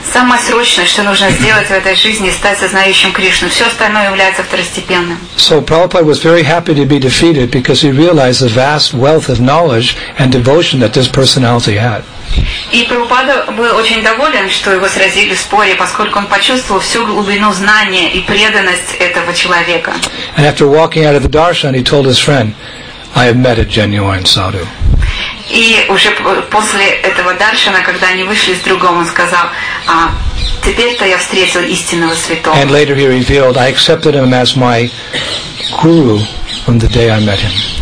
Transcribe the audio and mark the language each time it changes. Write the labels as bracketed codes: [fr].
[ru] Самое срочное, что нужно сделать в этой жизни, стать сознающим Кришну. Все остальное является второстепенным. [en] So Prabhupada was very happy to be defeated because he realized the vast wealth of knowledge and devotion that this personality had. [ru] И Прабхупада был очень доволен, что его сразили в споре, поскольку он почувствовал всю глубину знания и преданность этого человека. [en] And after walking out of the darshan, he told his friend, I have met a genuine sadhu. [ru] И уже после этого даршана, когда они вышли с другом, он сказал: «А теперь-то я встретил истинного святого». [en] And later he revealed, I accepted him as my guru from the day I met him.